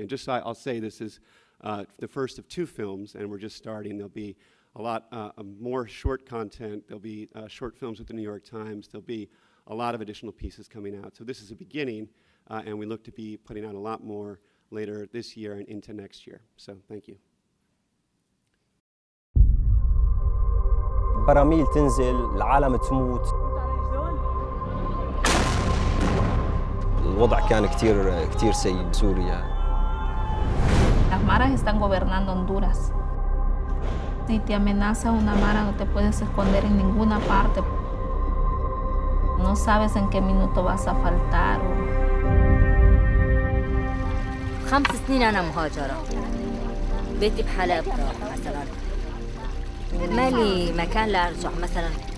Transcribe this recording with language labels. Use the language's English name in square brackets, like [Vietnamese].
[English] And just I'll say this is the first of two films, and we're just starting. There'll be a lot more short content. There'll be short films with the New York Times. There'll be a lot of additional pieces coming out. So this is a beginning, and we look to be putting out a lot more later this year and into next year. So thank you. [Arabic] براميل تنزل العالم تموت الوضع كان كتير سيء بسوريا [Spanish] las maras están gobernando Honduras si te amenaza una mara no te puedes esconder en ninguna parte no sabes en qué minuto vas a faltar [Arabic] خمس سنين انا مهاجرة بيتي بحلب مثلا مالي مكان لأرجع مثلاً.